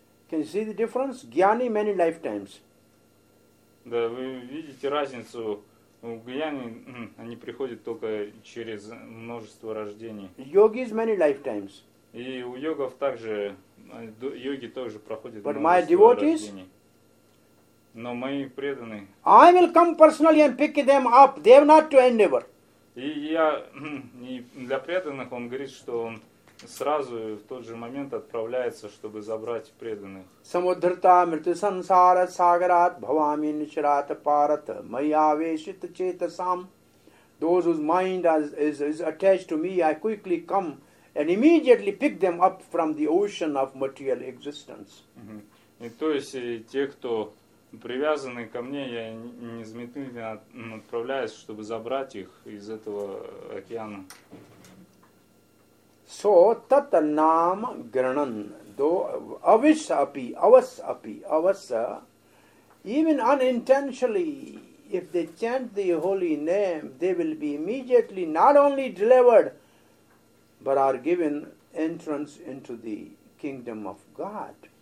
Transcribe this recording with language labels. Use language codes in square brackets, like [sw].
[en] Can you see the difference? Гьяни many lifetimes. [ru] Да, вы видите разницу. У гьяни они приходят только через множество рождений. [en] Yogis many lifetimes. [ru] И у йогов также, йоги тоже проходят [en] But [ru] множество [en] my [ru] рождений. Но мои преданные. [en] I will come personally and pick them up. They have not to endeavor. [ru] И я и для преданных он говорит, что он сразу в тот же момент отправляется, чтобы забрать преданных. [sa] Самудрта мрту сансара сагарат бхавами ничрат парат майявешит чейтасам. [en] Those whose mind is attached to me, I quickly come and immediately pick them up from the ocean of material existence. [ru] И то есть и те, кто привязанные ко мне, я незаметно отправляюсь, чтобы забрать их из этого океана. [en] So, [sa] tat naam granan, do avish api, avas api, avasa, [en] even unintentionally, if they chant the holy name, they will be immediately not only delivered, but are given entrance into the kingdom of God.